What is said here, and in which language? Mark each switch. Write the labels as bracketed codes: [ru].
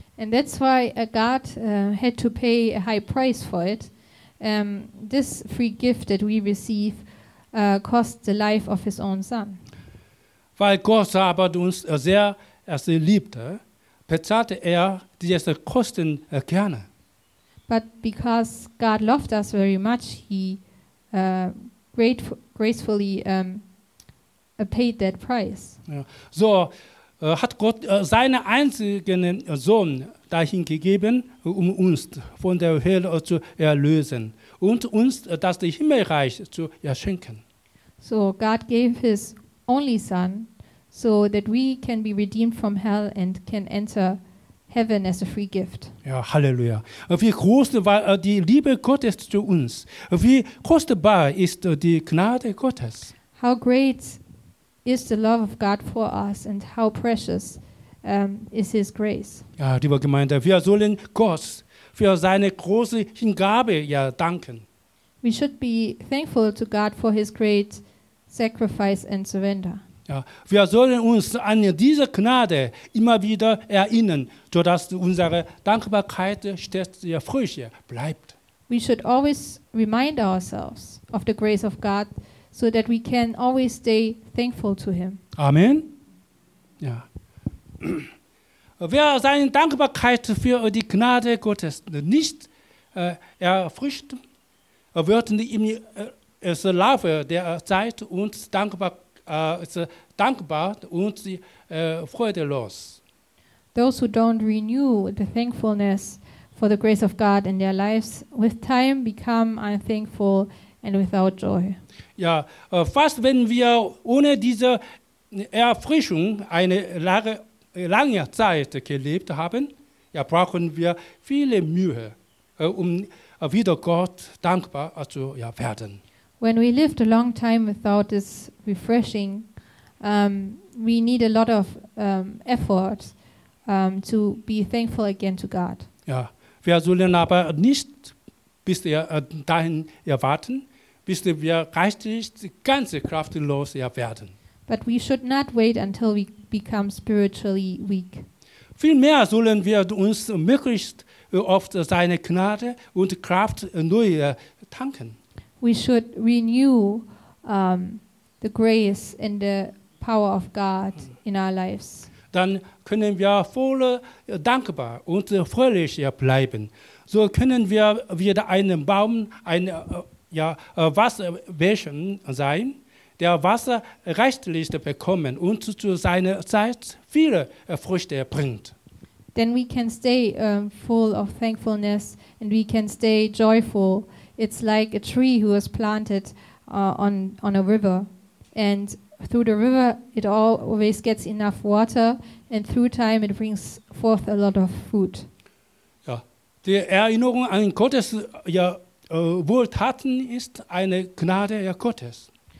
[en] And that's why God had to pay a high price for it. This free gift that we receive cost the life of his own son. [de] Weil Gott aber uns sehr liebte, bezahlte diese Kosten gerne. [en] But because God loved us very much, he gracefully paid that price. [de] Ja. So hat Gott seinen einzigen Sohn dahin gegeben, um uns von der Hölle zu erlösen und uns das Himmelreich zu schenken. [en] So God gave his only son so that we can be redeemed from hell and can enter heaven as a free gift. [de] Ja, Halleluja. Wie groß war die Liebe Gottes zu uns? Wie kostbar ist die Gnade Gottes? [en] How great is the love of God for us and how precious is his grace. [de] Ja, liebe Gemeinde, wir sollen Gott für seine große Hingabe danken. [en] We should be thankful to God for his great sacrifice and surrender. [de] Ja, wir sollen uns an diese Gnade immer wieder erinnern, sodass unsere Dankbarkeit stets frisch bleibt. [en] We should always remind ourselves of the grace of God so that we can always stay thankful to him. [de] Amen. Ja. Wer seine Dankbarkeit für die Gnade Gottes nicht erfrischt, wird ihm im Laufe der Zeit uns dankbar und freudelos. [en] Those who don't renew the thankfulness for the grace of God in their lives with time become unthankful and without joy. [de] Ja, fast wenn wir ohne diese Erfrischung eine lange Zeit gelebt haben, ja, brauchen wir viele Mühe, um wieder Gott dankbar zu werden. [en] When we lived a long time without this refreshing, we need a lot of effort to be thankful again to God. [de] Ja, wir sollen aber nicht bis dahin erwarten, bis wir geistlich ganz kraftlos werden. [en] But we should not wait until we become spiritually weak. [de] Vielmehr sollen wir uns möglichst oft seine Gnade und Kraft neu tanken. [en] We should renew the grace and the power of God in our lives. [de] Dann können wir voll dankbar und fröhlich bleiben. So können wir wieder einen Baum, Wasserwäschen sein, der Wasser reichlich bekommen und zu seiner Zeit viele Früchte bringt. [en] Then we can stay full of thankfulness and we can stay joyful. It's like a tree who is planted on a river. And through the river it always gets enough water and through time it brings forth a lot of fruit. [de] Ja, die Erinnerung an Gottes Wohltaten ist eine Gnade Gottes.